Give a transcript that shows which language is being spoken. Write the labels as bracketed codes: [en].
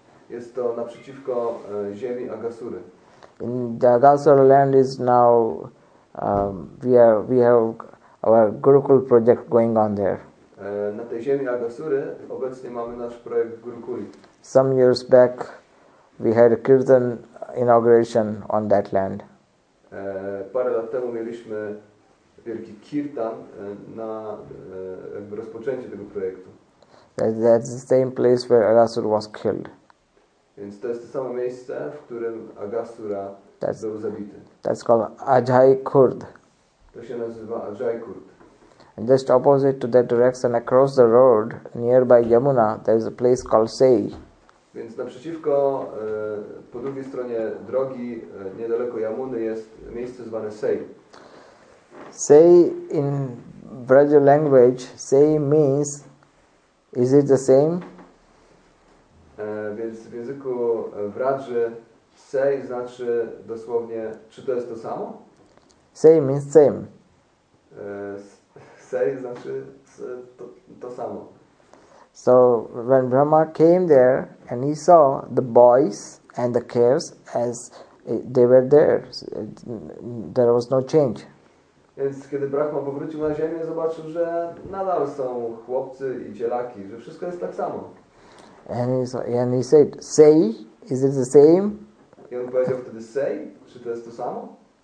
[pl] Jest to naprzeciwko ziemi Agasury. [en] In the Agasur land is now we have our Gurukul project going on there. [pl] Na tej ziemi Agasury obecnie mamy nasz projekt Gurukuli. [en] Some years back we had a kirtan inauguration on that land. [pl] Parę lat temu mieliśmy wielki kirtan na rozpoczęcie tego projektu. [en] That's the same place where Agasur was killed. [pl] Więc to jest to samo miejsce, w którym Agasura został zabity. [en] That's called Ajaykurd. [pl] To się nazywa Ajaykurd. [en] And just opposite to that direction, across the road, nearby Yamuna, there is a place called Sei. [pl] Więc naprzeciwko, po drugiej stronie drogi, niedaleko Yamuny, jest miejsce zwane Sei. [en] Sei in Braj language, Sei means, is it the same? [pl] Więc w języku Braj Sei znaczy dosłownie, czy to jest to samo? [en] Sei means same. [pl] Sei znaczy to samo. [en] So when Brahma came there and he saw the boys and the cows as they were there, there was no change. [pl] Więc kiedy Brahma powrócił na ziemię, zobaczył, że nadal są chłopcy i cielaki, że wszystko jest tak samo. [en] And he said, Sei, is it the same? [pl] I on powiedział wtedy, Sei, czy to jest to samo?